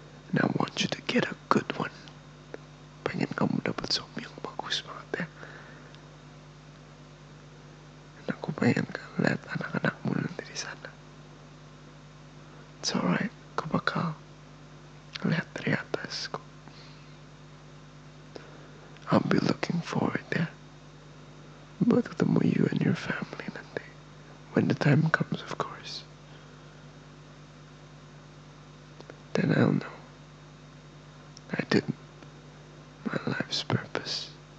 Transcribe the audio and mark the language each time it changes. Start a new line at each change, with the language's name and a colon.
English: And I want you to get a good one.
Indonesian: Pengen kamu dapat suami yang bagus banget ya. Dan aku pengen lihat anak-anakmu nanti di sana.
English: It's alright,
Indonesian: aku bakal lihat dari atasku.
English: I'll be looking forward to both of them with you and your family
Indonesian: nanti.
English: When the time comes, of course. Then I'll know. I did my life's purpose.